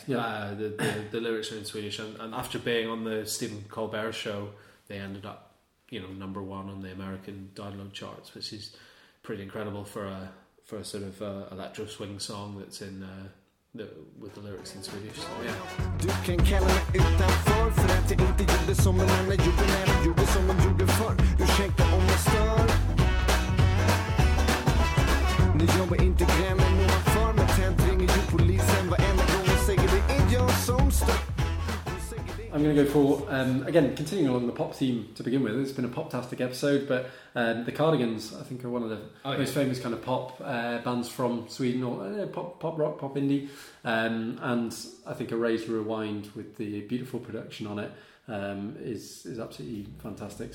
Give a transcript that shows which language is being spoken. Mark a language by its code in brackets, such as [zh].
[en] The lyrics are in Swedish, and after being on the Stephen Colbert show, they ended up, you know, number one on the American download charts, which is pretty incredible for a sort of electro swing song that's in with the lyrics in Swedish. So, yeah. [sv] Du kan kalla mig utanför för att jag inte gjorde som en annan gjorde när jag gjorde som man gjorde förr. Ursäkta om jag stör. Nu jobbar inte grämmen någon för men tänt ringer ju polisen varenda gång och säger det är jag som stör. [en] I'm going to go for, again, continuing along the pop theme to begin with. It's been a poptastic episode, but The Cardigans, I think, are one of the most famous kind of pop bands from Sweden, or pop rock, pop indie, and I think Erase Rewind with the beautiful production on it is absolutely fantastic.